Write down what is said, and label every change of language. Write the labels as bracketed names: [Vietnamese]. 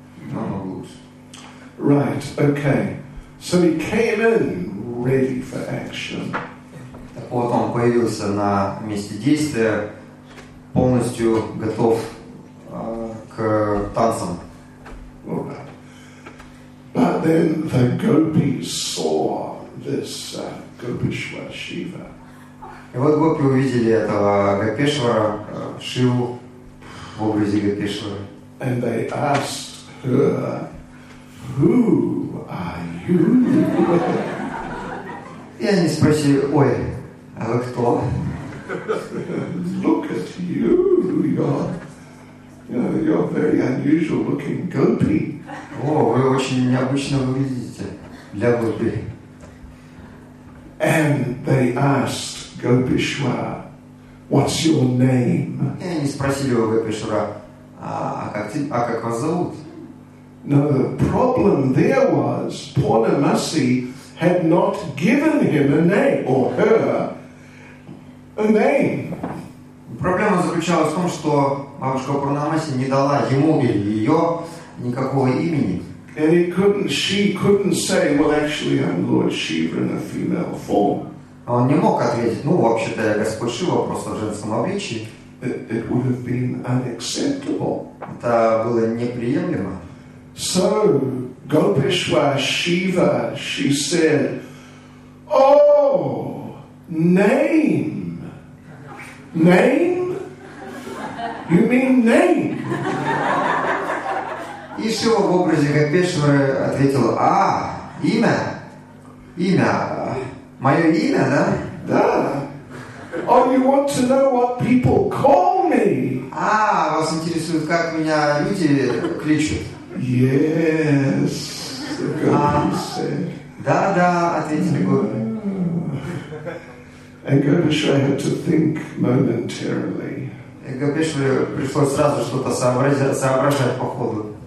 [Russian] Намного лучше. [English] Right, okay. So he came in ready for action. [Russian] Так вот он появился на месте действия, полностью готов к танцам. [English] Alright. But then the gopis saw this Gopeshwar Shiva. [Russian] И вот гопи увидели этого Гопешвара, Шиву, в образе Гопешвара. [English] And they asked her, who are you? [Russian] И они спросили, ой, а вы кто? [English] Look at you, you're very unusual looking gopi. [Russian] О, вы очень необычно выглядите для гопи. [English] And they asked Gopeshwar, what's your name? [Russian] И они спросили у Гопешвара, а как вас зовут? [English] No, the problem there was Purnamasi had not given him a name or her a name. [Russian] Проблема заключалась в том, что бабушка Пурнамаси не дала ему или ее никакого имени. [English] And she couldn't say, well, actually, I'm Lord Shiva in a female form. [Russian] Он не мог ответить. Ну, вообще-то я Господь Шива просто в женском обличии. [English] It would have been unacceptable. [Russian] Это было неприемлемо. [English] So Gopeshwar Shiva, she said, oh, name, you mean name? [Russian] И Шива в образе Гопешвары ответил, имя, мое имя, да? Да. [English] Oh, you want to know what people call me? [Russian] Вас интересует, как меня люди кличут? [English] Yes, the gopis said. [Russian] Да, ответили гопи. [English] And Gopeshwar had to think momentarily. [Russian] И Гопешвар пришлось сразу что-то соображать по ходу.